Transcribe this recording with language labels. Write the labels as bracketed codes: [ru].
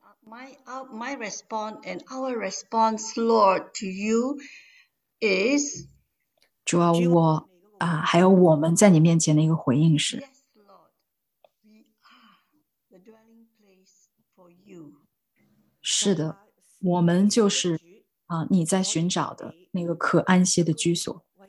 [en] My response and our response, Lord, to you is. [zh] 主啊，我还有我们在你面前的一个回应是。 [en] Yes, Lord, we are the dwelling place for you. [zh] 是的，我们就是你在寻找的那个可安歇的居所。